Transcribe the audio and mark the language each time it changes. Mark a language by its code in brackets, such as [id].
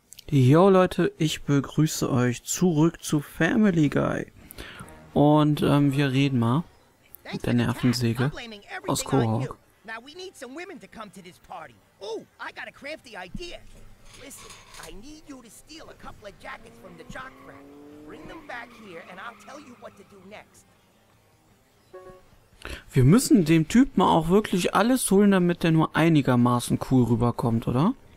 [de] Jo Leute, ich begrüße euch zurück zu Family Guy. Und wir reden mal mit der Nervensäge aus Quahog. [en] Now we need some women to come to this party. Ooh, I got a crafty idea. Listen, I need you to steal a couple of jackets from the jock crack. Bring them back here and I'll tell you what to do next. [de] Wir müssen dem Typen auch wirklich alles holen, damit der nur einigermaßen cool rüberkommt, oder?